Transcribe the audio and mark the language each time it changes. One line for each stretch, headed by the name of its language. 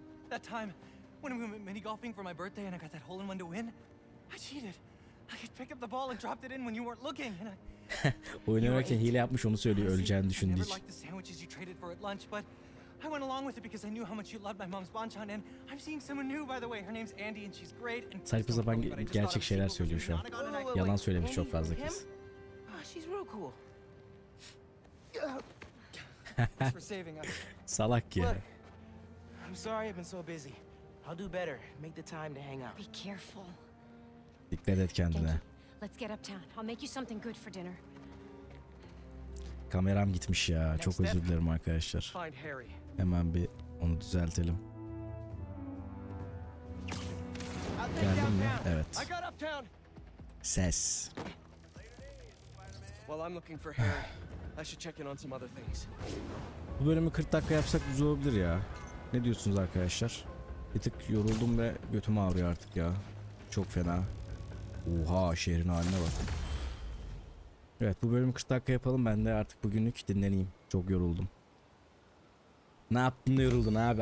English: That time when we went mini golfing for my birthday and I got that hole in one to win, I cheated. I picked up the ball and dropped it in when you weren't looking.
Turkish: Oynarken hile yapmış onu söylüyor, öleceğini düşündüğü için.
English: I liked the sandwiches you traded for at lunch, but I went along with it because I knew how much you loved my mom's banchan, and I'm seeing someone new, by the way. Her name's Andy, and she's great.
Turkish: Saçma sapan gerçek şeyler söylüyor şu an. Yalan söylemiş çok fazla kez.
English: She's real cool. For saving us.
Turkish: Salak ya.
English: I'm sorry I've been so busy. I'll do better. Make the time to hang out. Be careful.
Turkish: Dikkat et kendine.
English: Let's get uptown. I'll make you something good for dinner.
Turkish: Kameram gitmiş ya. Çok özür dilerim arkadaşlar. Hemen bir onu düzeltelim. Geldim mi? Evet. Ses.
English: Well, I'm looking for Harry. I should check in on some other things.
Turkish: Bu bölümü 40 dakika yapsak güzel olabilir ya. Ne diyorsunuz arkadaşlar? Bir tık yoruldum ve götüm ağrıyor artık ya. Çok fena. Oha, şehrin haline bak. Evet, bu bölümü 40 dakika yapalım. Ben de artık bugünlük dinleneyim. Çok yoruldum. Ne yaptın da yoruldun abi?